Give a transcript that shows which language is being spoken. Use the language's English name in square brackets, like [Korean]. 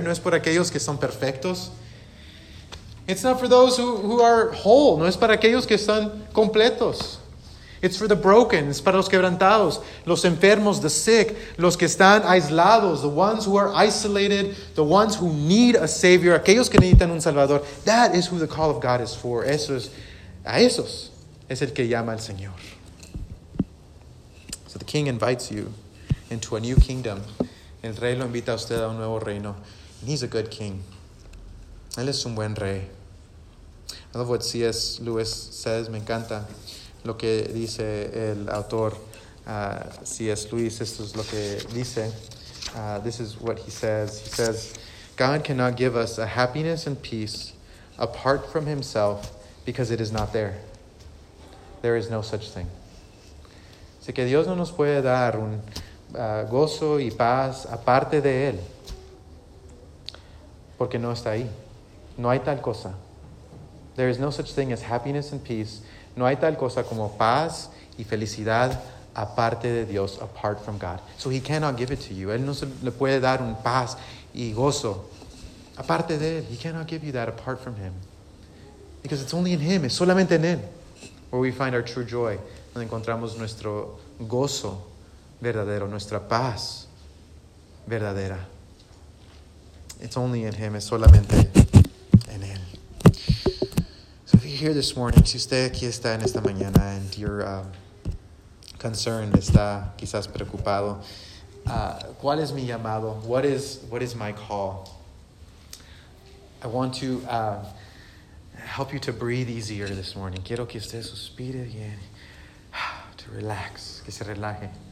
[Spanish] No es por aquellos que son perfectos. [English] It's not for those who are whole. [Spanish] No es para aquellos que están completos. [English] It's for the broken. [Spanish] Es para los quebrantados. Los enfermos, [English] the sick. [Spanish] Los que están aislados. [English] The ones who are isolated. The ones who need a Savior. [Spanish] Aquellos que necesitan un Salvador. [English] That is who the call of God is for. [Spanish] Eso es, a esos es el que llama al Señor. [English] So the King invites you into a new kingdom. [Spanish] El Rey lo invita a usted a un nuevo reino. [English] And he's a good king. [Spanish] Él es un buen rey. [English] I love what C.S. Lewis says. [Spanish] Me encanta lo que dice el autor C.S. Lewis. Esto es lo que dice. [English] This is what he says. He says, God cannot give us a happiness and peace apart from himself because it is not there. There is no such thing. [Spanish] Así que Dios no nos puede dar un gozo y paz aparte de él, porque no está ahí. No hay tal cosa. [English] There is no such thing as happiness and peace. [Spanish] No hay tal cosa como paz y felicidad aparte de Dios, [English] apart from God. So he cannot give it to you. [Spanish] Él no se le puede dar un paz y gozo aparte de él. [English] He cannot give you that apart from him. Because it's only in him. [Spanish] Es solamente en él [English] where we find our true joy. [Spanish] Donde encontramos nuestro gozo verdadero, nuestra paz verdadera. [English] It's only in him. [Spanish] Es solamente en él. [English] So if you're here this morning, [Spanish] si usted aquí está en esta mañana [English] and you're concerned, [Spanish] está quizás preocupado, ¿cuál es mi llamado? [English] What is my call? I want to help you to breathe easier this morning. [Spanish] Quiero que usted suspire bien, [English] to relax, [Spanish] que se relaje.